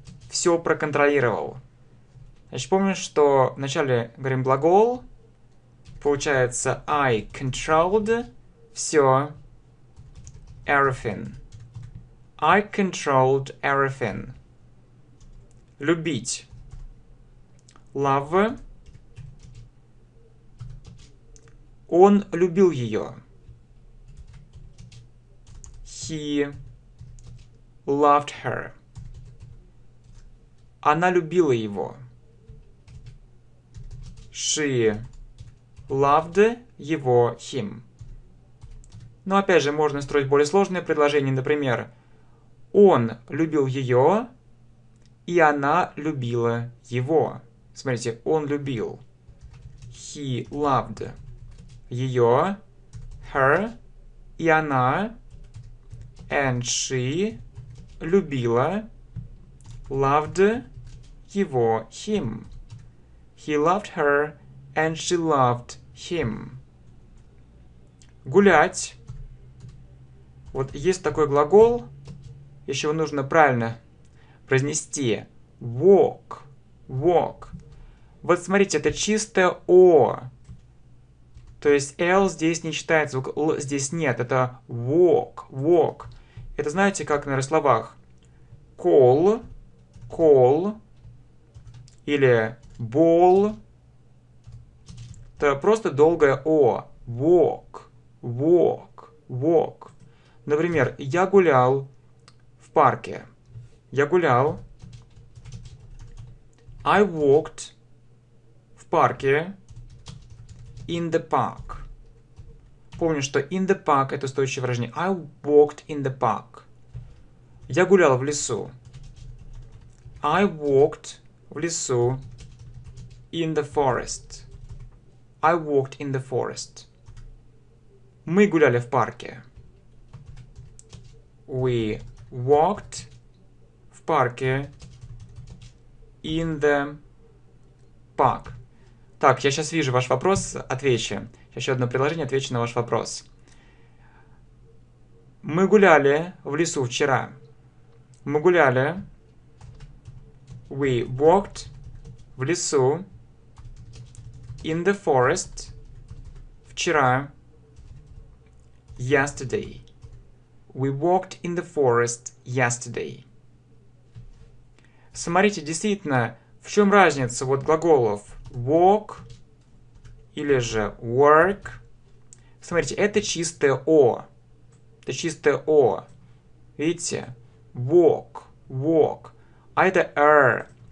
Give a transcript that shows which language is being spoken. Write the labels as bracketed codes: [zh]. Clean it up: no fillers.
[ru] Все проконтролировал. Значит, помню, что вначале говорим глагол. [en] Получается, I controlled [ru] все. [en] Everything. I controlled everything. [ru] Любить. [en] Love. [ru] Он любил ее. [en] He loved her. [ru] Она любила его. [en] She loved [ru] его, [en] him. [ru] Но опять же, можно строить более сложные предложения. Например, он любил ее, и она любила его. Смотрите, он любил. [en] He loved [ru] ее, [en] her, [ru] и она, [en] and she [ru] любила, [en] loved [ru] его, [en] him. He loved her, and she loved him. [ru] Гулять. Вот есть такой глагол, еще его нужно правильно произнести. [en] Walk. Walk. [ru] Вот смотрите, это чистое О. То есть L здесь не читает, звук L здесь нет. [en] Это walk. Walk. [ru] Это знаете, как на словах? [en] Call. Call. Или ball. [ru] Это просто долгое О. [en] Walk. Walk. Walk. [ru] Например, я гулял в парке. Я гулял. [en] I walked [ru] в парке [en] in the park. [ru] Помню, что [en] in the park [ru] это устойчивое выражение. [en] I walked in the park. [ru] Я гулял в лесу. [en] I walked [ru] в лесу [en] in the forest. I walked in the forest. [ru] Мы гуляли в парке. [en] We walked [ru] в парке [en] in the park. [ru] Так, я сейчас вижу ваш вопрос, отвечу. Еще одно предложение, отвечу на ваш вопрос. Мы гуляли в лесу вчера. Мы гуляли. [en] We walked [ru] в лесу [en] in the forest [ru] вчера. [en] Yesterday. We walked in the forest yesterday. [ru] Смотрите, действительно, в чем разница вот глаголов walk или же work? Смотрите, это чистое О. Это чистое О. Видите? [en] Walk, walk. [ru] А это er.